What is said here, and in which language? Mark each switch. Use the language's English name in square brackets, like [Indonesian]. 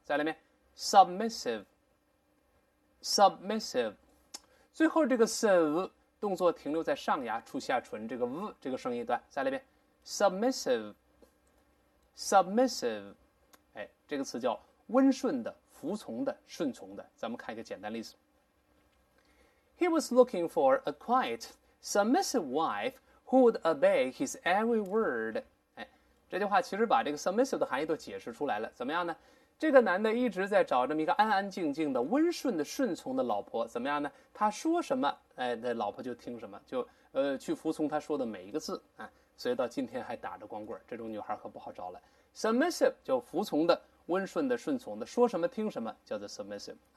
[Chinese] 再来一遍，submissive，submissive。最后这个 sev 动作停留在上牙触下唇，这个 v 这个声音段，再来一遍，submissive，submissive。哎，这个词叫温顺的、服从的、顺从的。咱们看一个简单例子： [English] He was looking for a quiet, submissive wife who would obey his every word。 [Chinese] 哎，这句话其实把这个 submissive 的含义都解释出来了。怎么样呢？这个男的一直在找这么一个安安静静的、温顺的、顺从的老婆。怎么样呢？他说什么，哎，那老婆就听什么，就去服从他说的每一个字啊。所以到今天还打着光棍，这种女孩可不好找了。Submissive 叫服从的、温顺的、顺从的，说什么听什么叫做 submissive。